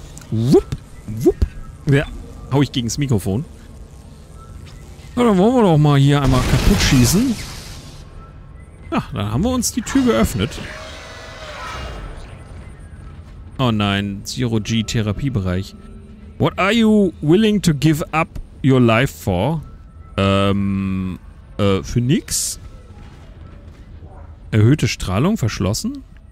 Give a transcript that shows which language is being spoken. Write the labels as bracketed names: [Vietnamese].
[German] Wupp, wupp. Ja, hau ich gegens Mikrofon. Na, dann wollen wir doch mal hier einmal kaputt schießen. Ja, dann haben wir uns die Tür geöffnet. Oh nein, Zero-G-Therapiebereich. [English] What are you willing to give up your life for? [German] Für nix? Erhöhte Strahlung, verschlossen?